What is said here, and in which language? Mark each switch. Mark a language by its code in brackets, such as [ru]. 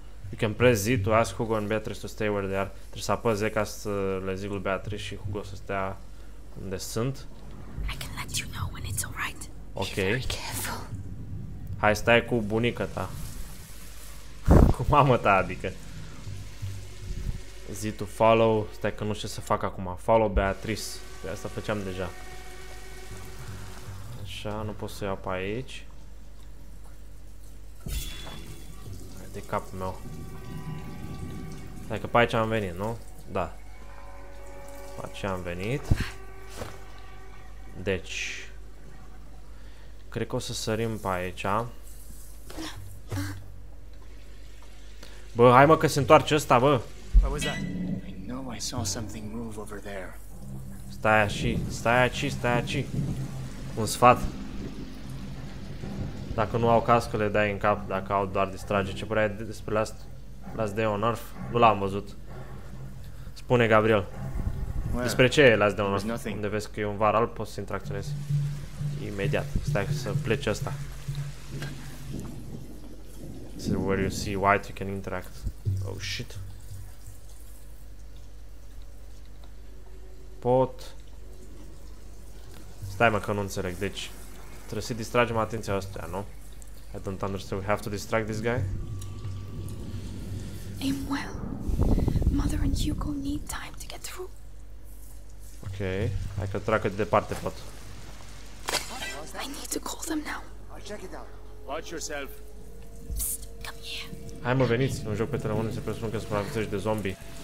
[en] You can press Z to ask Hugo and Beatrice to stay where they are. [ro] Trebuie să apăs Z ca să le zic lui Beatrice și Hugo să stea unde sunt. [en] I can let you know when it's alright. Ok. Be very careful. [ro] Hai, stai cu bunica ta. Cu mama ta, adică. [en] Z to follow. [ro] Stai că nu știu ce să fac acum. [en] Follow Beatrice. [ro] De asta făceam deja. Așa, nu pot să iau pe aici. De capul meu. Stai că pe aici am venit, nu? Da. Pe aici am venit. Deci cred că o să sărim pe aici. Bă, hai mă că se întoarce ăsta, bă. [en] What was that? I know I saw something move over there. [ro] Stai aici, stai aici, stai aici. Un sfat. Dacă nu au cască, le dai în cap, dacă au doar distrage. Ce părere ai despre Last Day on Earth? Nu l-am văzut. Spune, Gabriel. [en] Where? [ro] Despre ce e Last Day on Earth? Unde vezi că e un var alb, poți să interacționezi. Imediat. Stai să pleci ăsta. [en] This is where you see white, you can interact. Oh, shit. [ro] Pot. Stai, mă, că nu înțeleg. Deci trebuie să-i distragem atenția ăstuia, nu? [en] I don't understand. We have to distract this guy. Aim well. Mother and Hugo need time to get through. Ok. [ro] Hai că trag de departe pot. [en] I need to call them now. I'll check it out. Watch yourself. Psst, come here. [ro] Hai mă, veniți. În joc pe telefon se presupune că supraviețuiești de zombie.